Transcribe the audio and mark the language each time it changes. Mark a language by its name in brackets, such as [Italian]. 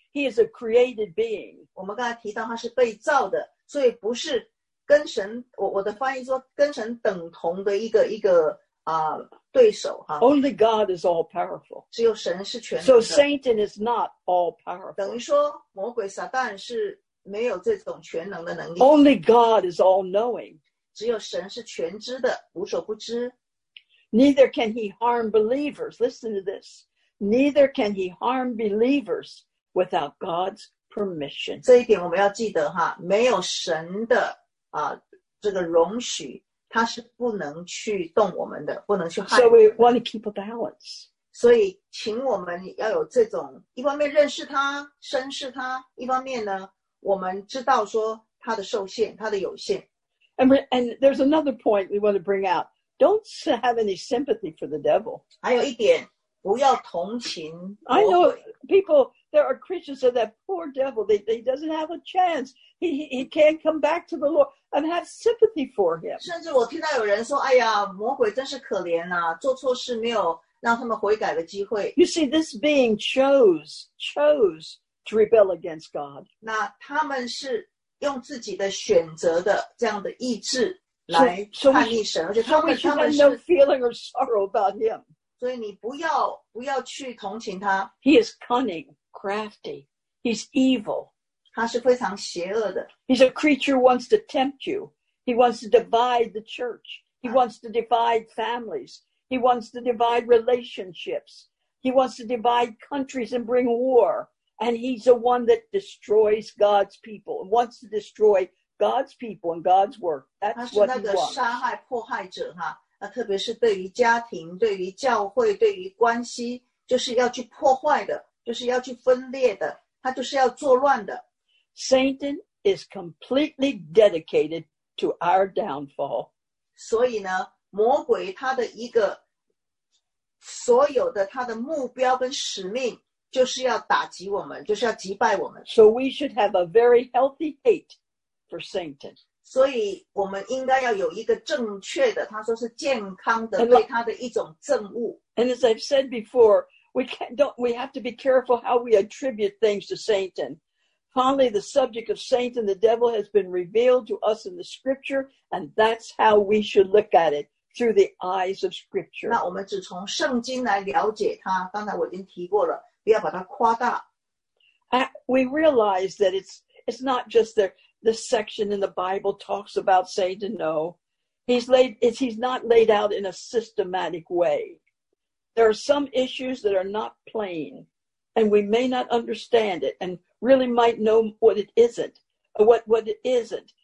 [English] He is a created being. [Chinese] 我们刚才提到他是被造的，所以不是。跟神 我的翻译说跟神等同的一个对手哈。 [English] Only God is all powerful. [Chinese] 只有神是全能的。 [English] So Satan is not all powerful. [Chinese] 等于说魔鬼撒旦是没有这种全能的能力。 [English] Only God is all knowing. [Chinese] 只有神是全知的，无所不知。 [English] Neither can he harm believers. Listen to this. Neither can he harm believers without God's permission. [Chinese] 这一点我们要记得哈，没有神的。这个容许他是不能去动我们的，不能去害我们的。 [English] So we want to keep a balance. [Chinese] 所以请我们要有这种一方面认识他深识他一方面呢我们知道说他的受限他的有限 [English] and there's another point we want to bring out don't have any sympathy for the devil [Chinese] 还有一点不要同情 [English] I know people there are Christians that poor devil he doesn't have a chance he can't come back to the Lord and have sympathy for him [Chinese] 甚至我听到有人说哎呀魔鬼真是可怜啊做错事没有让他们悔改的机会 [English] You see this being chose to rebel against God [Chinese] 那他们是用自己的选择的这样的意志来叛逆神 [English] so we should have no feeling or sorrow about him [Chinese] 所以你不要去同情他 [English] He is cunning, crafty, he's evil [Chinese] 他是非常邪恶的 [English] He's a creature who wants to tempt you He wants to divide the church He wants to divide families He wants to divide relationships He wants to divide countries and bring war And he's the one that destroys God's people and wants to destroy God's people and God's work. That's what he wants. [Chinese] 他是那个杀害迫害者哈，那特别是对于家庭、对于教会、对于关系，就是要去破坏的，就是要去分裂的，他就是要作乱的。 [English] Satan is completely dedicated to our downfall. [Chinese] 所以呢，魔鬼他的一个所有的他的目标跟使命。就是要打击我们，就是要击败我们。 [English] So we should have a very healthy hate for Satan. [Chinese] 所以我们应该要有一个正确的，他说是健康的对他的一种憎恶。 [English] And as I've said before, we have to be careful how we attribute things to Satan. Finally, the subject of Satan, the devil, has been revealed to us in the Scripture, and that's how we should look at it through the eyes of Scripture. [Chinese] 那我们只从圣经来了解他。刚才我已经提过了。不要把它夸大。 [English] We realize that it's not just the section in the Bible talks about Satan. No, he's not laid out in a systematic way. There are some issues that are not plain, and we may not understand it, and really might know what it isn't, what it isn't.